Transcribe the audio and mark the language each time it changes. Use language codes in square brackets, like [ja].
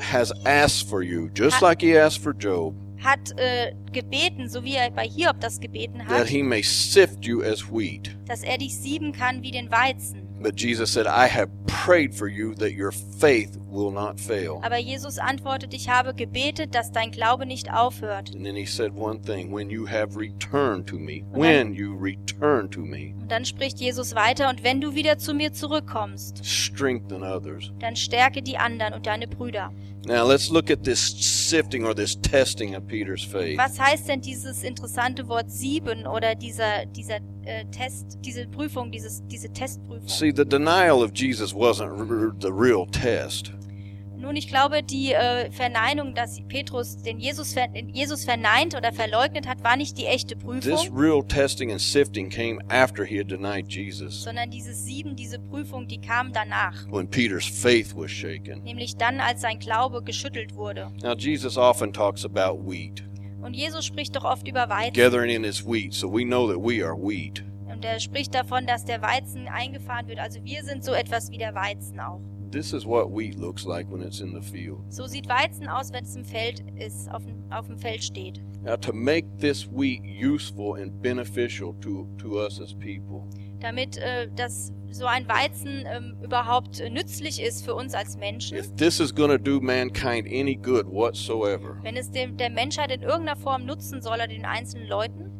[en] Has asked for you, just like he asked for Job. [de] Hat gebeten, so wie er bei Hiob das gebeten hat, [en] that he may sift you as wheat. [de] Dass er dich sieben kann wie den Weizen. [en] But Jesus said, I have prayed for you that your faith will not fail. [de] Aber Jesus antwortet, ich habe gebetet, dass dein Glaube nicht aufhört. [en] And then he said one thing, when you have returned to me, when you return to me. [de] Und dann spricht Jesus weiter, und wenn du wieder zu mir zurückkommst, [en] strengthen others. [de] Dann stärke die anderen und deine Brüder. [en] Now let's look at this sifting or this testing of Peter's faith. [de] Was heißt denn dieses interessante Wort sieben oder diese Testprüfung? [en] See, the denial of Jesus wasn't the real test. [de] Nun, ich glaube, die Verneinung, dass Petrus den Jesus verneint oder verleugnet hat, war nicht die echte Prüfung. [en] This real testing and sifting came after he had denied Jesus. [de] Sondern dieses Sieben, diese Prüfung, die kam danach. [en] When Peter's faith was shaken. [de] Nämlich dann, als sein Glaube geschüttelt wurde. [en] Now Jesus often talks about wheat. [de] Und Jesus spricht doch oft über Weizen. [en] Gathering in his wheat, so we know that we are wheat. [de] Und er spricht davon, dass der Weizen eingefahren wird. Also wir sind so etwas wie der Weizen auch. [en] This is what wheat looks like when it's in the field. [de] So sieht Weizen aus, wenn es im Feld ist, auf dem Feld steht. [en] Now to make this wheat useful and beneficial to us as people. [de] Damit das so ein Weizen überhaupt nützlich ist für uns als Menschen. [en] If this is going to do mankind any good whatsoever. [de] Wenn es der Menschheit in irgendeiner Form nutzen soll oder den einzelnen Leuten.